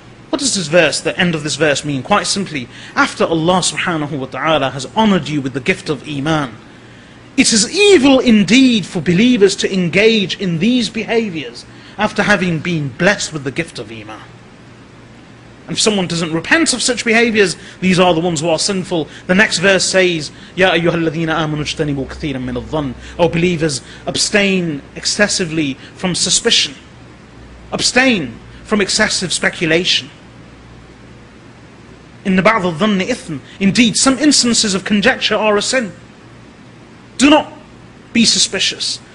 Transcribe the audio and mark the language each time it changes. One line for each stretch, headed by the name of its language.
English: What does this verse, the end of this verse, mean? Quite simply, after Allah subhanahu wa ta'ala has honored you with the gift of iman, it is evil indeed for believers to engage in these behaviors after having been blessed with the gift of iman. And if someone doesn't repent of such behaviors, these are the ones who are sinful. The next verse says,
Arabic: يَا أَيُّهَا الَّذِينَ آمَنُوا اجْتَنِبُوا كَثِيرًا مِّنَ الظَّنِّ.
English: O believers, abstain excessively from suspicion. Abstain from excessive speculation.
Arabic: إِنَّ بَعْضَ الظَّنِّ إِثْمٍ.
English: Indeed, some instances of conjecture are a sin. Do not be suspicious.